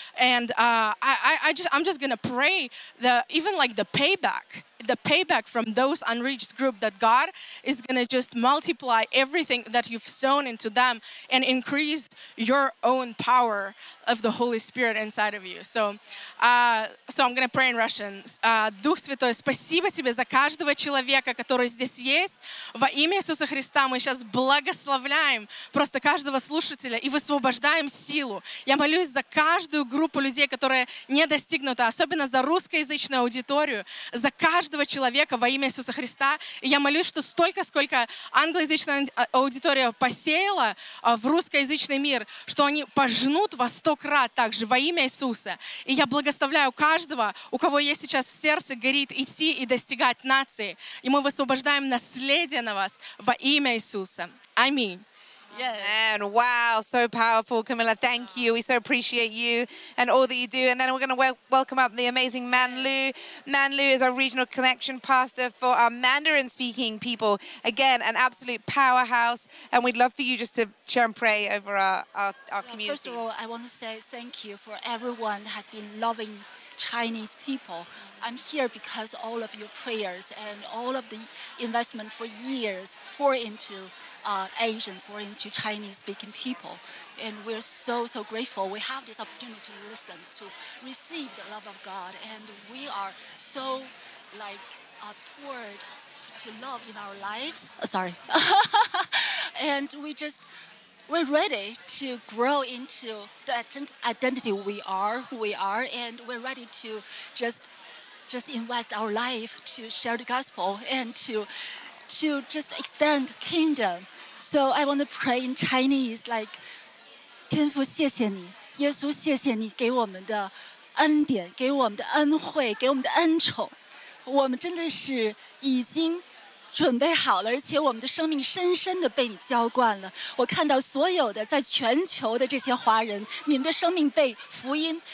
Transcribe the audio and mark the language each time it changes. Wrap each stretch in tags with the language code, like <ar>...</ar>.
<en>And I'm just going to pray that even like the payback from those unreached group, that God is going to just multiply everything that you've sown into them and increase your own power of the Holy Spirit inside of you. So I'm going to pray in Russian.</en> <ru>Дух Святой, спасибо тебе за каждого человека, который здесь есть. Во имя Иисуса Христа мы сейчас благословляем просто каждого слушателя и высвобождаем силу. Я молюсь за каждую группу людей, которая не достигнута, особенно за русскоязычную аудиторию, за каждого человека во имя Иисуса Христа. И я молюсь, что столько, сколько англоязычная аудитория посеяла в русскоязычный мир, что они пожнут во сто крат также во имя Иисуса. И я благословляю каждого, у кого есть сейчас в сердце горит идти и достигать нации. И мы высвобождаем наследие на вас во имя Иисуса. Аминь.</ru> <en>Yes. And wow, so powerful, Camilla. Thank you. We so appreciate you and all that you do. And then we're going to welcome up the amazing Manlu. Manlu is our regional connection pastor for our Mandarin-speaking people. Again, an absolute powerhouse. And we'd love for you just to share and pray over our community. First of all, I want to say thank you for everyone that has been loving Chinese people. I'm here because all of your prayers and all of the investment for years pour into Asian, foreign to Chinese-speaking people. And we're so, so grateful. We have this opportunity to listen, to receive the love of God. And we are so, like, poured to love in our lives. Oh, sorry. And we're ready to grow into the identity we are, who we are. And we're ready to just invest our life to share the gospel and to just extend kingdom. So I want to pray in Chinese, like,</en> <zh>天父，谢谢你给我们的恩典，给我们的恩惠，给我们的恩宠。我们真的是已经准备好了，而且我们的生命深深的被你浇灌了。我看到所有的在全球的这些华人，你们的生命被福音、</zh>